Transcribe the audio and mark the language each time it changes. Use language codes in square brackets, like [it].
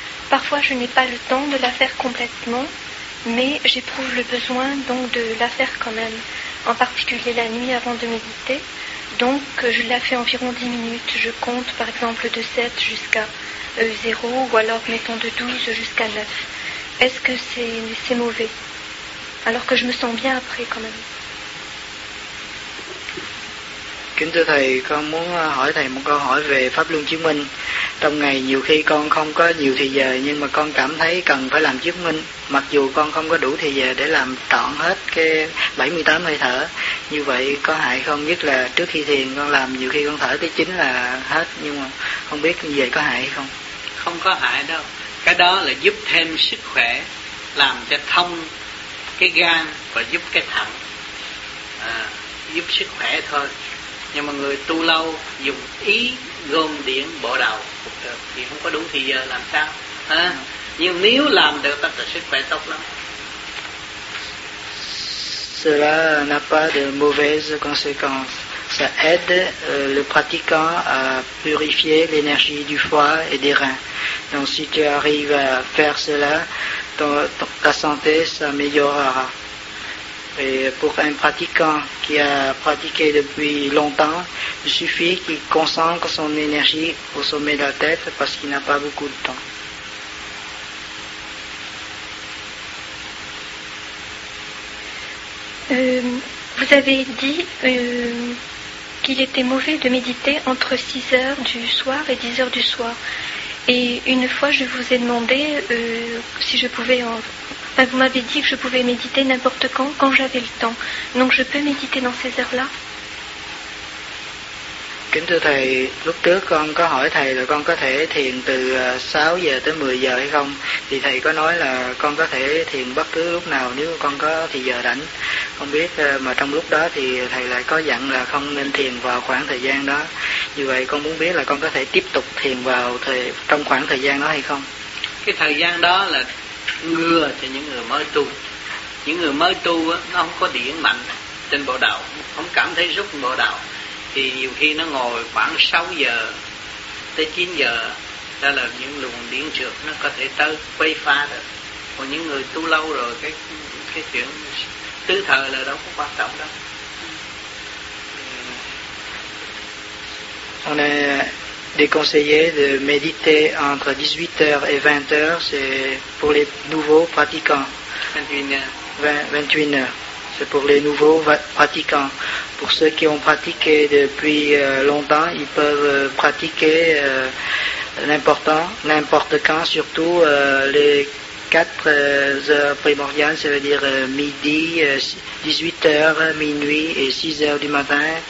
[fr] Parfois, je n'ai pas le temps de la faire complètement, mais j'éprouve le besoin donc de la faire quand même, en particulier la nuit avant de méditer. Donc, je la fais environ 10 minutes. Je compte, par exemple, de 7 jusqu'à 0, ou alors, mettons, de 12 jusqu'à 9. Est-ce que c'est mauvais? Alors que je me sens bien après, quand même. [vi] Kính thưa thầy, con muốn hỏi thầy một câu hỏi về Pháp Luân Chứng Minh. Trong ngày nhiều khi con không có nhiều thời giờ, nhưng mà con cảm thấy cần phải làm chứng minh, mặc dù con không có đủ thời giờ để làm trọn hết cái 78 hơi thở. Như vậy có hại không? Nhất là trước khi thiền con làm nhiều khi con thở tới 9 là hết, nhưng mà không biết như vậy có hại không? Không có hại đâu. Cái đó là giúp thêm sức khỏe, làm cho thông cái gan và giúp cái thận, giúp sức khỏe thôi. Nhưng mà người tu lâu dùng ý gom điện bộ đầu thì không có đủ thời giờ làm sao. Nhưng nếu làm được tất cả sức khỏe tốt lắm. [fr] Cela n'a pas de mauvaises conséquences. Ça aide le pratiquant à purifier l'énergie du foie et des reins. Donc si tu arrives à faire cela, ta santé s'améliorera. Et pour un pratiquant qui a pratiqué depuis longtemps, il suffit qu'il concentre son énergie au sommet de la tête parce qu'il n'a pas beaucoup de temps. Vous avez dit qu'il était mauvais de méditer entre 6 heures du soir et 10 heures du soir. Et une fois, je vous ai demandé si je pouvais... Enfin, vous m'avez dit que je pouvais méditer n'importe quand j'avais le temps. Donc, je peux méditer dans ces heures-là? [vi] Kính thưa thầy, lúc trước con có hỏi thầy là con có thể thiền từ 6 giờ tới 10 giờ hay không? Thì thầy có nói là con có thể thiền bất cứ lúc nào nếu con có thì giờ rảnh. Không biết mà trong lúc đó thì thầy lại có dặn là không nên thiền vào khoảng thời gian đó. Như vậy con muốn biết là con có thể tiếp tục thiền vào trong khoảng thời gian đó hay không? Cái thời gian đó là ngừa cho những người mới tu. Những người mới tu á, nó không có điển mạnh trên bộ đạo, không cảm thấy rút bộ đạo. Thì nhiều khi nó ngồi khoảng 6 giờ tới 9 giờ, đó là những luồng điển trượt nó có thể tới quay pha được. Còn những người tu lâu rồi, cái chuyện tứ thờ là đâu có quan trọng đâu. [fr] On est déconseillé de méditer entre 18h et 20h, c'est pour les nouveaux pratiquants. 21h. C'est pour les nouveaux pratiquants. Pour ceux qui ont pratiqué depuis longtemps, ils peuvent pratiquer n'importe quand, surtout les 4 heures primordiales, ça veut dire midi, 18 heures, minuit et 6 heures du matin.